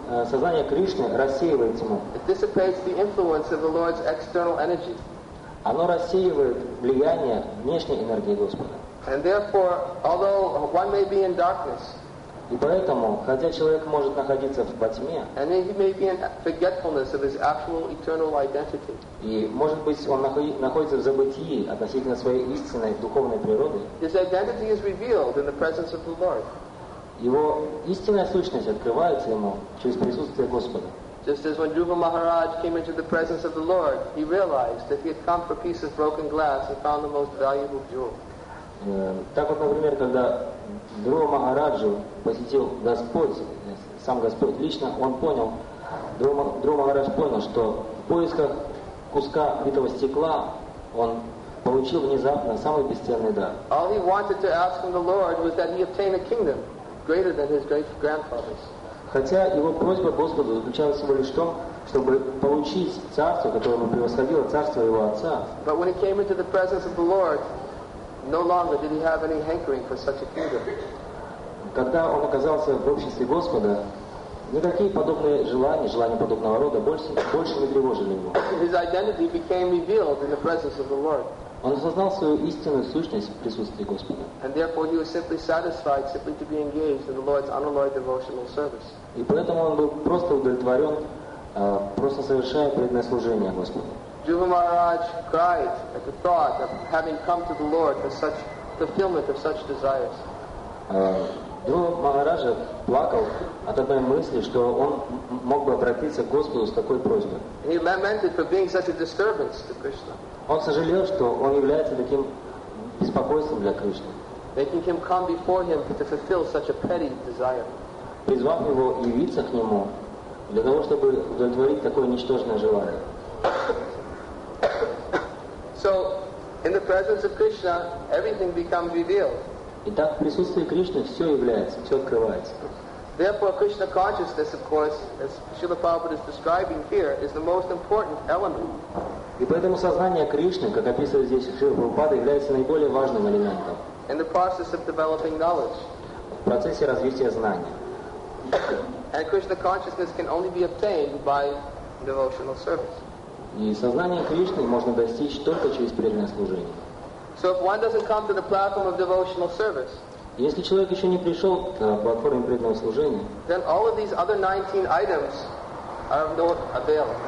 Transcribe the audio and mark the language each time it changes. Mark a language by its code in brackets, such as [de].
[ru] Сознание Кришны рассеивает тьму. [en] It dissipates the influence of the Lord's external energy. [ru] Оно рассеивает влияние внешней энергии Господа. [en] And therefore, although one may be in darkness, [ru] и поэтому, хотя человек может находиться во тьме, [en] and he may be in forgetfulness of his actual eternal identity, [ru] и, может быть, он находится в забытии относительно своей истинной духовной природы, [en] his identity is revealed in the presence of the Lord. [ru] Его истинная сущность открывается ему через присутствие Господа. [en] Just as when Dhruva Maharaj came into the presence of the Lord, he realized that he had come for pieces of broken glass and found the most valuable jewel. [ru] Так вот, например, когда Дхрува Махараджу посетил Господь, сам Господь лично, он понял, Дхрува Махарадж понял, что в поисках куска битого стекла он получил внезапно самый бесценный дар. [en] All he wanted to ask from the Lord was that he obtain a kingdom greater than his great-grandfather's. [ru] Хотя его просьба Господу заключалась всего лишь в том, чтобы получить царство, которое бы превосходило царство его отца. [en] But when he came into the presence of the Lord, no longer did he have any hankering for such a kingdom. [ru] Когда он оказался в обществе Господа, никакие подобные желания, желания подобного рода больше не тревожили его. [en] His identity became revealed in the presence of the Lord. [ru] Он осознал свою истинную сущность в присутствии Господа. [en] And therefore he was simply satisfied simply to be engaged in the Lord's unalloyed devotional service. [ru] И поэтому он был просто удовлетворен, просто совершая преданное служение Господу. [en] Dhruva Maharaj cried at the thought of having come to the Lord for such fulfillment of such desires. [ru] Dhruva Maharaja плакал от одной мысли, что он мог бы обратиться к Господу с такой просьбой. [en] He lamented for being such a disturbance to Krishna. [ru] Он сожалел, что он является таким беспокойством для Кришны. [en] Making him come before him to fulfill such a petty desire. [ru] Призвав его явиться к нему для того, чтобы удовлетворить такое ничтожное желание. [en] So, in the presence of Krishna, everything becomes revealed. [ru] Итак, в присутствии Кришны все является, все открывается. [en] Therefore, Krishna consciousness, of course, as Srila Prabhupada is describing here, is the most important element. [ru] И поэтому сознание Кришны, как описывает здесь Шрила Прабхупада, является наиболее важным элементом. [en] In the process of developing knowledge. [ru] В процессе развития знания. [en] And Krishna consciousness can only be obtained by devotional service. [ru] И сознание Кришны можно достичь только через преданное служение. [en] So if one doesn't come to the platform of devotional service, [ru] если человек еще не пришел к платформе преданного служения, [en] then all of these other 19 items are of no avail.